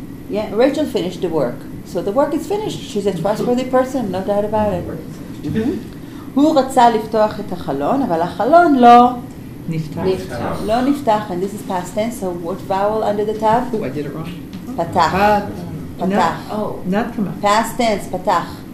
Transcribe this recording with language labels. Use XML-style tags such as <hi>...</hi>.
<en>Yeah, Rachel finished the work. So the work is finished. She's a trustworthy person, no doubt about it.</en> <he>הוא רצה לפתוח את החלון, אבל החלון לא נפתח. לא נפתח,</he> <en>and this is past tense, so what vowel under the tab? Oh, I did it wrong.</en> <he>פתח. פתח.</he> <en>Not come up. Past tense, פתח.</en>